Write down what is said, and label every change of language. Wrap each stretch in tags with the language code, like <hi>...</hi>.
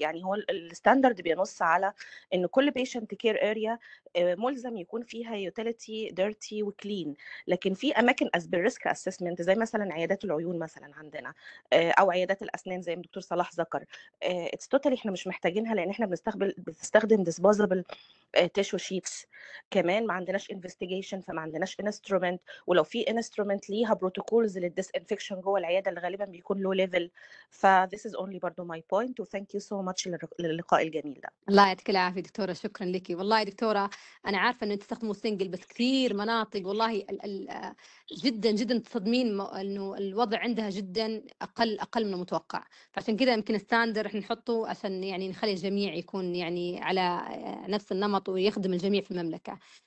<ar>يعني هو الستاندرد بينص على ان كل بيشنت كير اريا ملزم يكون فيها يوتيليتي ديرتي وكلين، لكن في اماكن اس بالريسك اسسمنت زي مثلا عيادات العيون مثلا عندنا او عيادات الاسنان زي ما دكتور صلاح ذكر، اتس توتالي احنا مش محتاجينها، لان احنا بنستخدم ديسبوزابل تيشو شيتس، كمان ما عندناش انفستيجيشن، فما عندناش انسترومنت، ولو في instrument ليها protocols للdisinfection جوه العيادة اللي غالباً بيكون low level.</ar> <en>فthis is only</en> <ar>برضو</ar> <en>my point. Thank you so much</en> <ar>للقاء الجميل ده. الله يعطيك العافية دكتورة، شكراً لك. والله دكتورة أنا عارفة أن تستخدموا single، بس كثير مناطق والله جداً جداً تصدمين أنه الوضع عندها جداً أقل من المتوقع. فعشان كده يمكن الستاندر نحطه عشان يعني نخلي الجميع يكون يعني على نفس النمط ويخدم الجميع في المملكة.</ar>